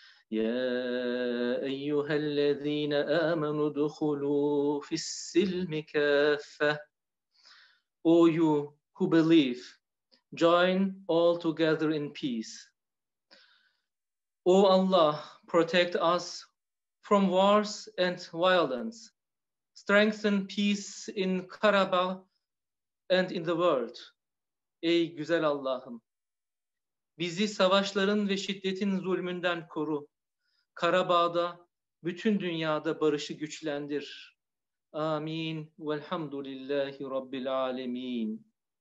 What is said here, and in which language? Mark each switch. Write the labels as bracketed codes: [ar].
[ar] يا أيها الذين آمنوا ادخلوا في السلم كافة. [en] O you who believe, join all together in peace. O Allah, protect us from wars and violence. Strengthen peace in Karabakh and in the world. [tr] Ey güzel Allah'ım, bizi savaşların ve şiddetin zulmünden koru. Karabağ'da, bütün dünyada barışı güçlendir. Amin. Velhamdülillahi Rabbil Alemin.